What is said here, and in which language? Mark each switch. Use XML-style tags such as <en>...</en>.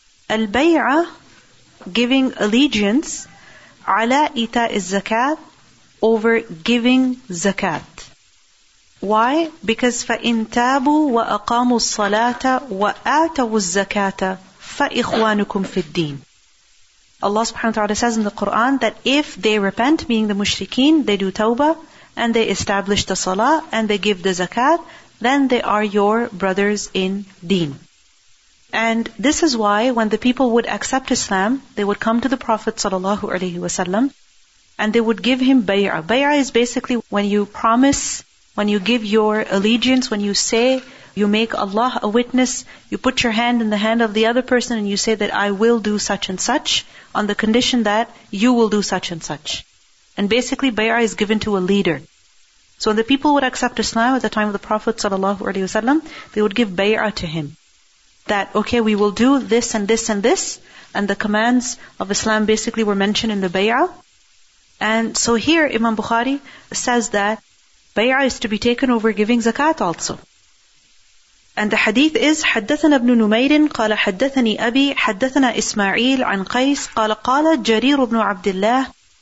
<ar>البيعة,</ar> <en>giving allegiance,</en> <ar>على إيتاء الزكاة,</ar> <en>over giving</en> <ar>زكاة.</ar> <en>Why? Because</en> <ar>فإن تابوا وأقاموا الصلاة وآتوا الزكاة فإخوانكم في الدين.</ar> <en>Allah subhanahu wa ta'ala says in the Quran that if they repent, meaning the mushrikeen, they do tawbah and they establish the salah and they give the zakat, then they are your brothers in deen. And this is why when the people would accept Islam, they would come to the Prophet sallallahu alaihi wasallam and they would give him bay'ah. Bay'ah is basically when you promise, when you give your allegiance, when you say, you make Allah a witness, you put your hand in the hand of the other person and you say that I will do such and such on the condition that you will do such and such. And basically bay'ah is given to a leader. So when the people would accept Islam at the time of the Prophet ﷺ, they would give bay'ah to him. That, okay, we will do this and this and this. And the commands of Islam basically were mentioned in the bay'ah. And so here Imam Bukhari says that bay'ah is to be taken over giving zakat also. And the hadith is,</en> <ar>حدثنا ابن نمير قال حدثني أبي حدثنا إسماعيل عن قيس قال قال جرير بن عبد الله.</ar>